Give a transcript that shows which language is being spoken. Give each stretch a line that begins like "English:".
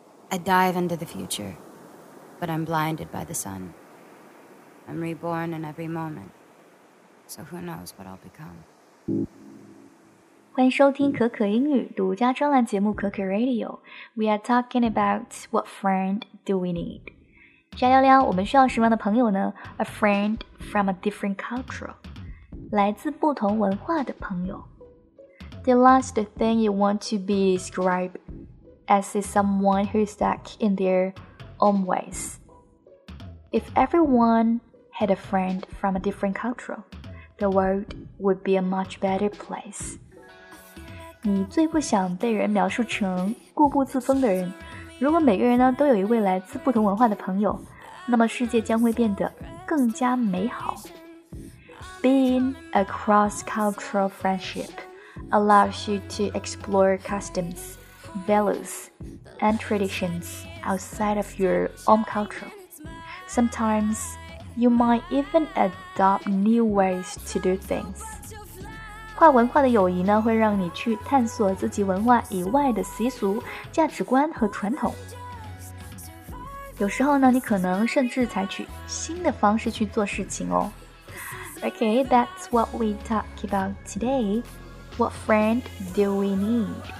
English: I dive into the future, but I'm blinded by the sun. I'm reborn in every moment, so who knows what I'll become.
Chinese: 欢迎收听可可英语独家专栏节目可可 Radio.
English: We are talking about what friend do we need.
Chinese: 加聊聊我们需要什么样的朋友呢?
English: A friend from a different culture.
Chinese: 来自不同文化的朋友。
English: The last thing you want to be described as is someone who's stuck in their own ways. If everyone had a friend from a different culture, the world would be a much better place.
Chinese: 你最不想被人描述成固步自封的人。如果每个人呢都有一位来自不同文化的朋友，那么世界将会变得更加美好。
English: Being a cross-cultural friendship. Allows you to explore customs, values, and traditions outside of your own culture. Sometimes, you might even adopt new ways to do things.
Chinese: 跨文化的友谊呢，会让你去探索自己文化以外的习俗、价值观和传统。有时候呢，你可能甚至采取新的方式去做事情哦。
English: Okay, that's what we talk about today. What friend do we need?